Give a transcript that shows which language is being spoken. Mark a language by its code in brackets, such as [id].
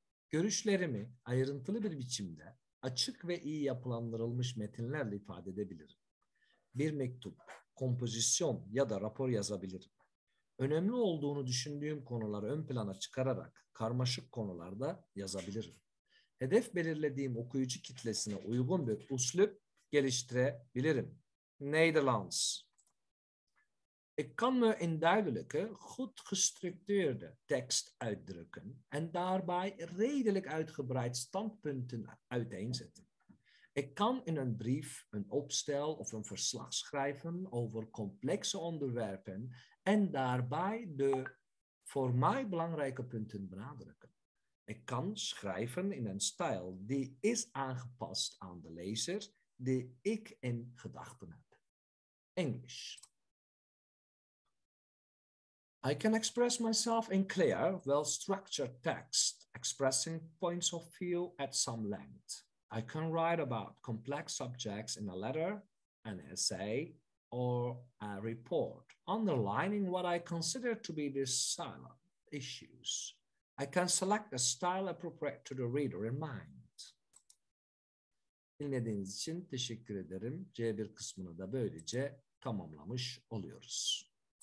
[tr] Görüşlerimi ayrıntılı bir biçimde açık ve iyi yapılandırılmış metinlerle ifade edebilirim. Bir mektup, kompozisyon ya da rapor yazabilirim. Önemli olduğunu düşündüğüm konuları ön plana çıkararak karmaşık konularda yazabilirim. Hedef belirlediğim okuyucu kitlesine uygun bir üslup geliştirebilirim. [nl] Nederlands. Ik kan me in duidelijke, goed gestructureerde tekst uitdrukken en daarbij redelijk uitgebreid standpunten uiteenzetten. Ik kan in een brief een opstel of een verslag schrijven over complexe onderwerpen en daarbij de voor mij belangrijke punten benadrukken. Ik kan schrijven in een stijl die is aangepast aan de lezer die ik in gedachten heb. Engels. [en] I can express myself in clear, well-structured text, expressing points of view at some length. I can write about complex subjects in a letter, an essay, or a report, underlining what I consider to be the silent issues. I can select a style appropriate to the reader in mind. [tr] Dinlediğiniz için teşekkür ederim. C1 kısmını da böylece tamamlamış oluyoruz.